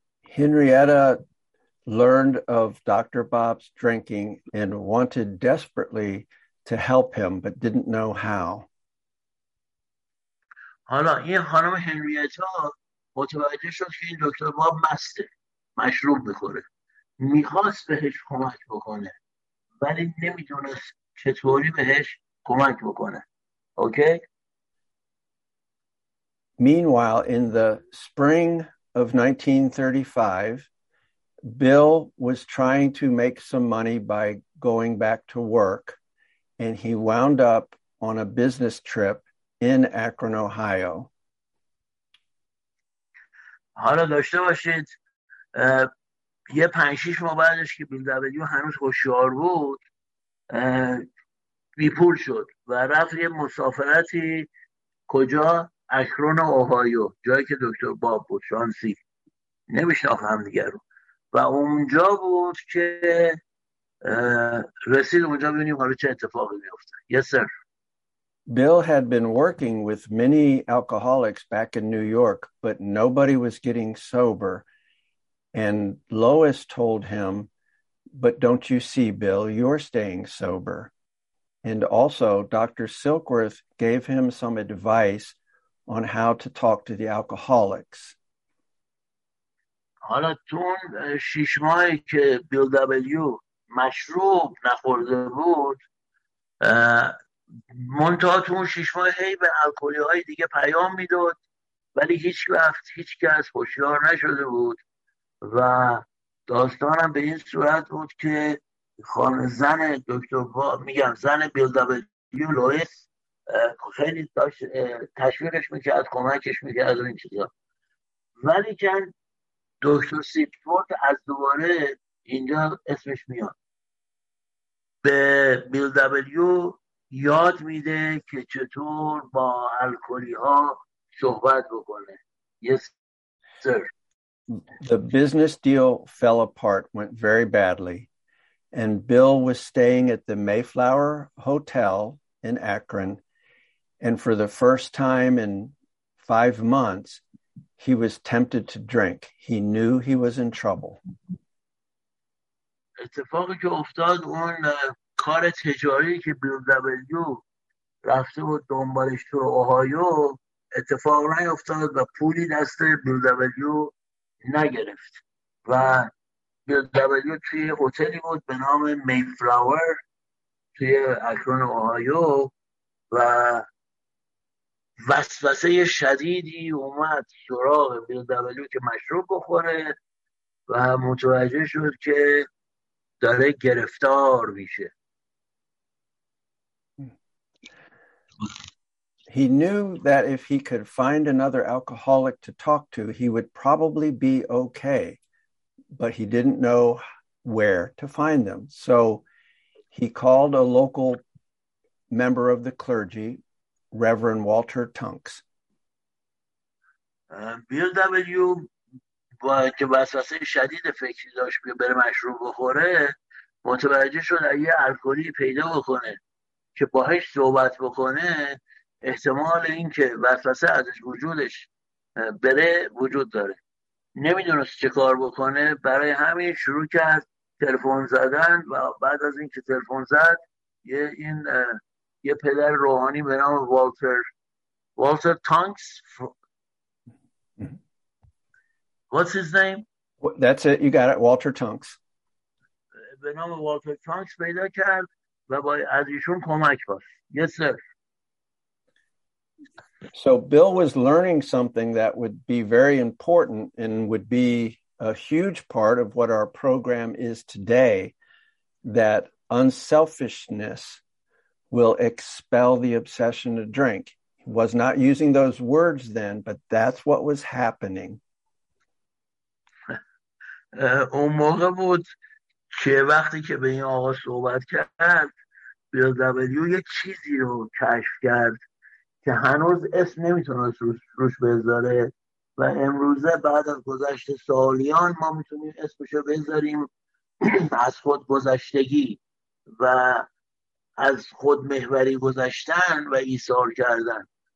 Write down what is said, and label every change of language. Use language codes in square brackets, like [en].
[en] Henrietta learned of Dr. Bob's drinking and wanted desperately to help him but didn't know how. [fa] حالا این خانم هنریتا متوجه شد که این دکتر باب مسته، مشروب میخوره، میخواست بهش کمک بکنه ولی نمیدونست چطوری بهش کمک بکنه. [en] Okay? Meanwhile, in the spring of 1935, Bill was trying to make some money by going back to work, and he wound up on a business trip in Akron, Ohio. [fa] حالا داشته باشید یه 5-6 ماه بعدش که بیل دبلیو هنوز هوشیار بود بیپول شد و رفت یه مسافرتی کجا؟ اکرون اوهایو، جایی که دکتر باب بود، شانسی نمیشناخت هم دیگر رو، و اونجا بود که رسید اونجا ببینیم حالا چه اتفاقی میفته. [en] Yes sir. Bill had been working with many alcoholics back in New York, but nobody was getting sober. And Lois told him, "But don't you see, Bill, you're staying sober." And also, Dr. Silkworth gave him some advice on how to talk to the alcoholics. [fa] حالا تون 6 ماهی که بیل دبلیو مشروب نخورده بود منتها تون 6 ماه هی به الکلی های دیگه پیام میداد ولی هیچ وقت هیچ کس هوشیار نشده بود و داستانم به این صورت بود که خانم زن دکتر میگم زن بیل دبلیو لوئیس خیلی داشت تشویقش میکرد کمکش میکرد این چیزا ولی کن دکتر سیپورت از دوباره اینجا اسمش میاد به بیل دبلیو یاد میده که چطور با الکلی ها صحبت بکنه. [en] Yes sir. The business deal fell apart, went very badly, and Bill was staying at the Mayflower Hotel in Akron, and for the first time in 5 months he was tempted to drink. He knew he was in trouble. [fa] اتفاقی که افتاد اون کار تجاری که بیل دبلیو رفته بود دنبالش تو اوهایو اتفاق نیفتاد و پولی دست بیل دبلیو نگرفت و بیل دبلیو توی هتلی بود به نام میفلاور توی اکرون اوهایو و وسوسه شدیدی اومد سراغ بیل دبلیو که مشروب بخوره و متوجه شد که داره گرفتار میشه. [en] He knew that if he could find another alcoholic to talk to, he would probably be okay, but he didn't know where to find them. So he called a local member of the clergy, Reverend Walter Tunks. [fa] بیل دبلیو با که وسوسه شدید فکری داشت که بره مشروب بخوره متوجه شد اگه الکلی پیدا بکنه که باهاش صحبت بکنه احتمال این که وسوسه ازش وجودش بره وجود داره. نمیدونست چه کار بکنه برای همین شروع کرد تلفن زدن و بعد از این که تلفن زد یه پدر روحانی به نام والتر تانکس. [en] What's his name? That's it, you got it, Walter Tunks. [fa] به نام والتر تانکس پیدا کرد و با از ایشون کمک خواست. [en] Yes, sir. So Bill was learning something that would be very important and would be a huge part of what our program is today, that unselfishness will expel the obsession to drink. He was not using those words then, but that's what was happening. [fa] اون موقع بود که وقتی که به این آقا صحبت کرد بیل دبلیو یه چیزی رو کشف کرد که هنوز اسم نمیتونست روش بذاره و امروزه بعد از گذشت سالیان ما میتونیم اسمشو بذاریم از خود گذشتگی و از خود محوری گذشتن و ایثار کردن.